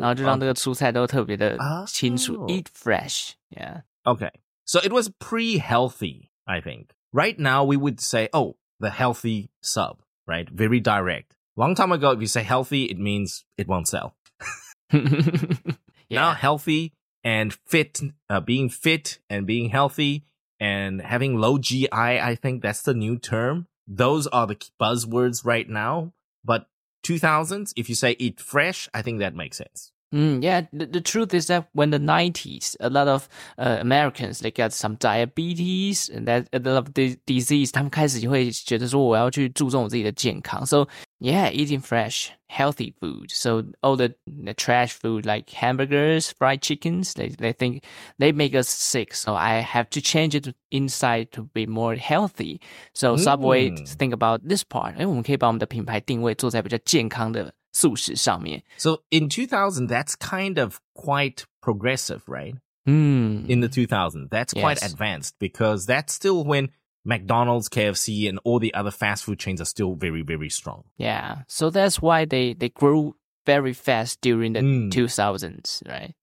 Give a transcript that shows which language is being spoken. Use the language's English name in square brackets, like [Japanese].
[Chinese] 然后就让这个蔬菜都特别的清楚, oh. [English] eat fresh, yeah. Okay, so it was pre-healthy, I think. Right now, we would say, oh, the healthy sub, right? Very direct. Long time ago, if you say healthy, it means it won't sell. yeah. Now healthy and fit, being fit and being healthy and having low GI, I think that's the new term. Those are the buzzwords right now. But 2000s, if you say eat fresh, I think that makes sense. Yeah, the truth is that when the 90s, a lot of Americans, they got some diabetes and that a lot of disease. [Chinese] 他们开始会觉得说我要去注重自己的健康. [English] So yeah, eating fresh, healthy food. So all the trash food like hamburgers, fried chickens, they think they make us sick. So I have to change it inside to be more healthy. So Subway think about this part. [Chinese] 因为我们可以把我们的品牌定位做在比较健康的 素食上面. [English] So in 2000, that's kind of quite progressive, right? Mm. In the 2000s, that's yes. quite advanced because that's still when McDonald's, KFC, and all the other fast food chains are still very, very strong. Yeah, so that's why they grew very fast during the 2000s, right?